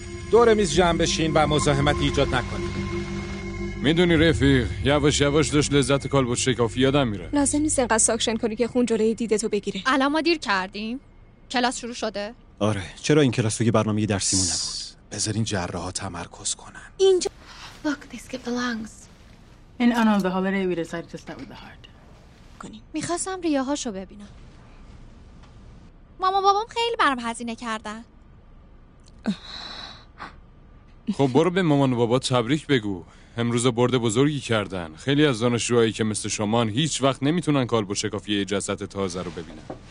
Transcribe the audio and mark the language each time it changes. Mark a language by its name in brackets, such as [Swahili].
[Persian] دور میز جمع بشین و مزاحمت ایجاد نکنید. میدونی رفیق، یواش یواش داشت لذت کالبد شکافی یادم میره. لازم نیست اینقدر ساکشن کنی که خون جلوی دیدتو بگیره. الان ما دیر کردیم. کلاس شروع شده؟ آره، چرا این کلاس توی برنامه درسیمون نبود؟ بذارین جراحا تمرکز کنن. اینجا [English] Look, they skip the lungs. In honor of the holiday, we decided to start with the heart. [Persian] کنیم. می‌خواستم ریاهاشو ببینم. مامان بابام خیلی برام هزینه کردن. خب برو به مامان و بابا تبریک بگو. امروز برد بزرگی کردن. خیلی از دانشجوهایی که مثل شمان هیچ وقت نمیتونن کالبد شکافی جسد تازه رو ببینن.